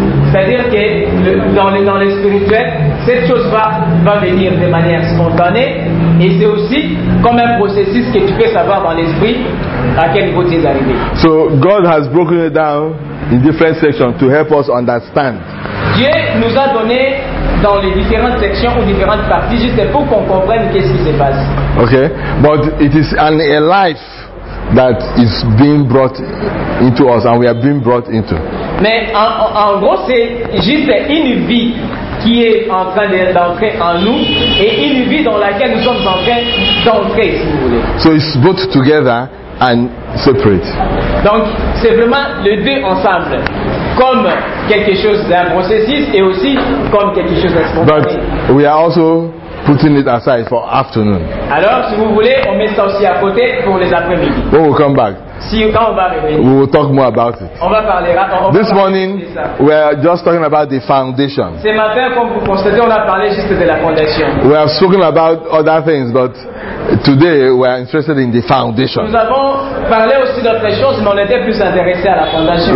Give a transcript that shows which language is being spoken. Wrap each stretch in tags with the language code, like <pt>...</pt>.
<fr>C'est-à-dire que dans le spirituel, cette chose va venir de manière spontanée et c'est aussi comme un processus que tu peux savoir dans l'esprit à quel niveau tu es arrivé.</fr> <en>So God has broken it down in different sections to help us understand.</en> <fr>Dieu nous a donné dans les différentes sections ou différentes parties juste pour qu'on comprenne qu'est-ce qui se passe.</fr> <en>Okay, but it is an a life that is being brought into us and we are being brought into.</en> <fr>Mais en gros c'est juste une vie qui est en train d'entrer en nous et une vie dans laquelle nous sommes en train d'entrer, si vous voulez.</fr> <en>So it's both together and separate.</en> <fr>Donc c'est vraiment les deux ensemble comme quelque chose d'un processus et aussi comme quelque chose d'espontané.</fr> <en>But we are also putting it aside for afternoon.</en> <fr>Alors, si vous voulez, on met ça aussi à côté pour les après-midi.</fr> <en>When we come back,</en> <fr>si, quand on va revenir,</fr> <en>we will talk more about it.</en> <fr>On va parler,</fr> <en>this morning, we are just talking about the foundation.</en> <fr>Ce matin, comme vous constatez, on a parlé juste de la fondation.</fr> <en>We have spoken about other things, but today we are interested in the foundation.</en> <fr>Nous avons parlé aussi d'autres choses, mais on était plus intéressé à la fondation.</fr>